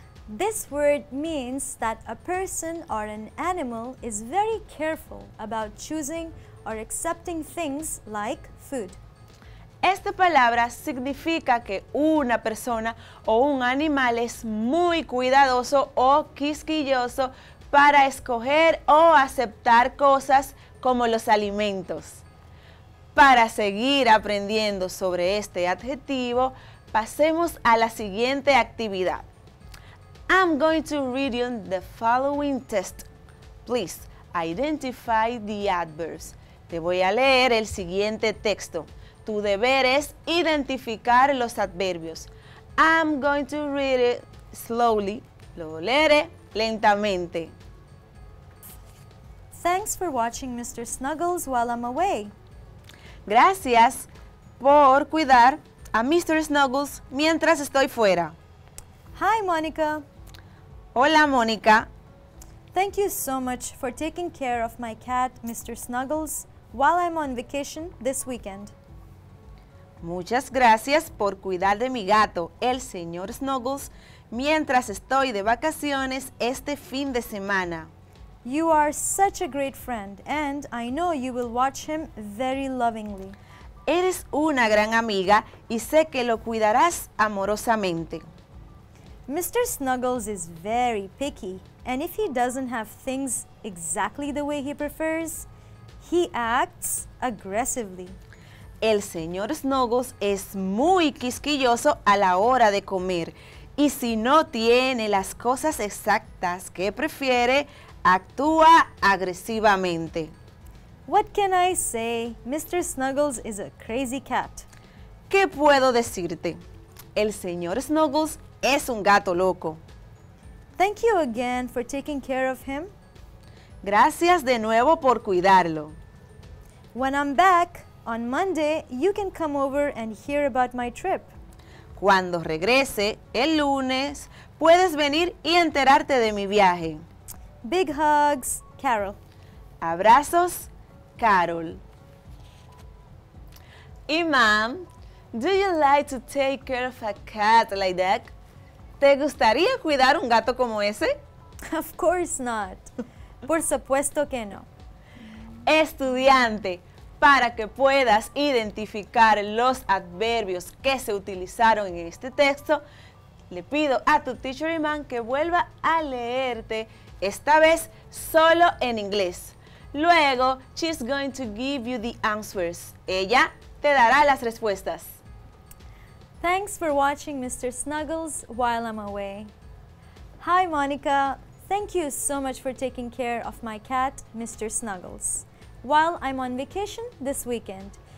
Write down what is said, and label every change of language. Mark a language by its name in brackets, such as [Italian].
[English] This word means that a person or an animal is very careful about choosing or accepting things like food. [Spanish] Esta palabra significa que una persona o un animal es muy cuidadoso o quisquilloso para escoger o aceptar cosas como los alimentos. Para seguir aprendiendo sobre este adjetivo, pasemos a la siguiente actividad. [English] I'm going to read you the following test. Please identify the adverbs. [Spanish] Te voy a leer el siguiente texto. Tu deber es identificar los adverbios. [English] I'm going to read it slowly. [Spanish] Lo leeré lentamente. [English] Thanks for watching Mr. Snuggles while I'm away. [Spanish] Gracias por cuidar a Mr. Snuggles mientras estoy fuera. [English] Hi, Monica. [Spanish] Hola, Mónica. [English] Thank you so much for taking care of my cat, Mr. Snuggles, while I'm on vacation this weekend. [Spanish] Muchas gracias por cuidar de mi gato, el señor Snuggles, mientras estoy de vacaciones este fin de semana. [English] You are such a great friend, and I know you will watch him very lovingly. [Spanish] Eres una gran amiga, y sé que lo cuidarás amorosamente. [English] Mr. Snuggles is very picky, and if he doesn't have things exactly the way he prefers, he acts aggressively. [Spanish] El señor Snuggles es muy quisquilloso a la hora de comer, y si no tiene las cosas exactas que prefiere, actúa agresivamente. [English] What can I say? Mr. Snuggles is a crazy cat. [Spanish] ¿Qué puedo decirte? El señor Snuggles es un gato loco. [English] Thank you again for taking care of him. [Spanish] Gracias de nuevo por cuidarlo. [English] When I'm back on Monday, you can come over and hear about my trip. [Spanish] Cuando regrese el lunes, puedes venir y enterarte de mi viaje. [English] Big hugs, Carol. [Spanish] Abrazos, Carol. [English] Y mom, do you like to take care of a cat like that? [Spanish] ¿Te gustaría cuidar un gato como ese? [English] Of course not. [Spanish] Por supuesto que no. Estudiante, para que puedas identificar los adverbios que se utilizaron en este texto, le pido a tu teacher Iman que vuelva a leerte, esta vez solo en inglés. Luego, [English] she's going to give you the answers. [Spanish] Ella te dará las respuestas. [English] Thanks for watching Mr. Snuggles while I'm away. Hi, Monica. Thank you so much for taking care of my cat, Mr. Snuggles, while I'm on vacation this weekend.